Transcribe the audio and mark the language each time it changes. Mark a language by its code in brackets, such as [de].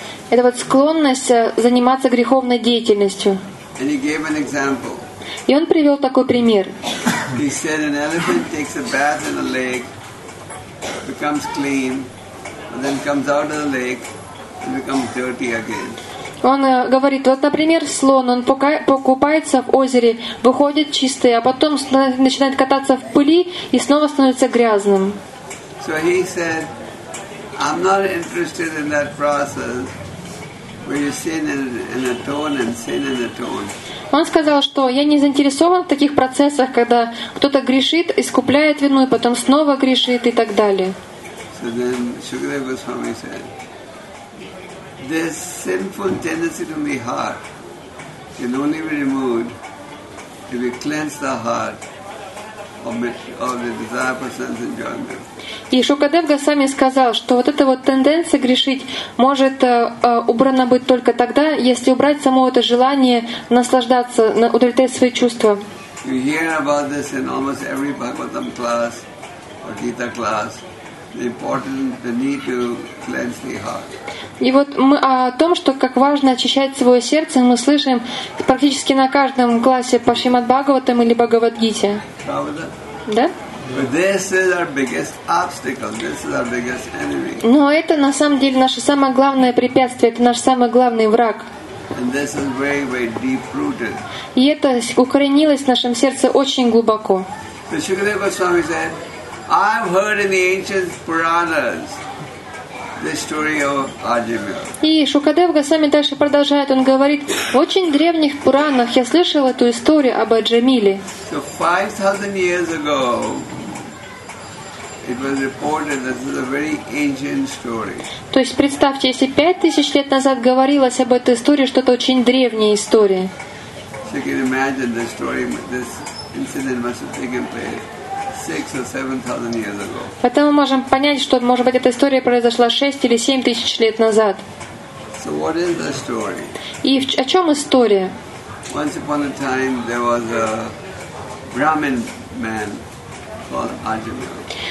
[ru] Это вот склонность заниматься греховной деятельностью. [en] And he gave an example. [ru] И он привел такой пример. [en] He said an elephant takes a bath in a lake, becomes clean, and then comes out of the lake and becomes dirty again. [ru] Он говорит, вот, например, слон, он покупается в озере, выходит чистый, а потом начинает кататься в пыли и снова становится грязным. [en] So he said, I'm not interested in that process where you sin in a tone and sin in a tone. [ru] Он сказал, что я не заинтересован в таких процессах, когда кто-то грешит, искупляет вину, и потом снова грешит и так далее. [en] So then Shukadeva Goswami said, this sinful tendency to the heart can only be removed if we cleanse the heart of the desire for sense enjoyment. [ru] И Шукадев Госвами сказал, что вот эта вот тенденция грешить может убрана быть только тогда, если убрать само это желание наслаждаться, удовлетворять свои чувства. [en] You hear about this in almost every Bhagavatam class or Gita class. The need to cleanse the heart. [ru] И вот мы о том, что как важно очищать свое сердце, мы слышим практически на каждом классе по Шримад-Бхагаватам или Бхагавад-Гите. Да? [en] This is our biggest obstacle. This is our biggest enemy. [ru] Но это на самом деле наше самое главное препятствие, это наш самый главный враг. [en] And this is very, very deep-rooted. [ru] И это укоренилось в нашем сердце очень глубоко. [en] I've heard in the ancient Puranas the story of Ajivya. [ru] И Шукадев Госвами дальше продолжает, он говорит, в очень древних Пуранах я слышал эту историю об Аджамиле. [en] So 5,000 years ago, it was reported that this is a very ancient story. [ru] То есть представьте, если 5,000 лет назад говорилось об этой истории, что это очень древняя история. [en] So you can imagine the story, this incident must have taken place. 6 or 7,000 years ago. [ru] Поэтому можем понять, что, может быть, эта история произошла 6 или 7 тысяч лет назад. [en] So what is the story? [ru] И о чем история? [en] Once upon a time there was a Brahmin man called Ajamila.